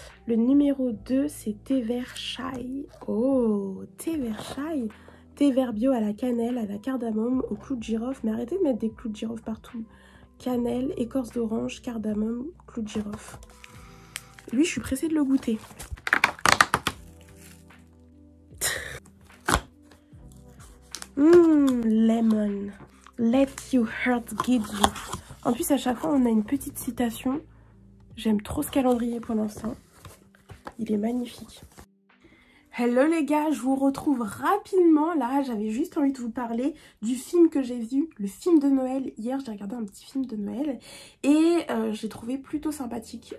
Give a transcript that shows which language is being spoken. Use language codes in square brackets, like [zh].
[fr] Le numéro 2, c'est thé vert chai. Oh, thé vert chai. Thé vert bio à la cannelle, à la cardamome, au clou de girofle. Mais arrêtez de mettre des clous de girofle partout. Cannelle, écorce d'orange, cardamome, clou de girofle. Lui, je suis pressée de le goûter. [en] Lemon, let your heart guide you. [fr] En plus, à chaque fois, on a une petite citation. J'aime trop ce calendrier pour l'instant. Il est magnifique. Hello les gars, je vous retrouve rapidement. Là, j'avais juste envie de vous parler du film que j'ai vu, le film de Noël. Hier, j'ai regardé un petit film de Noël et j'ai trouvé plutôt sympathique.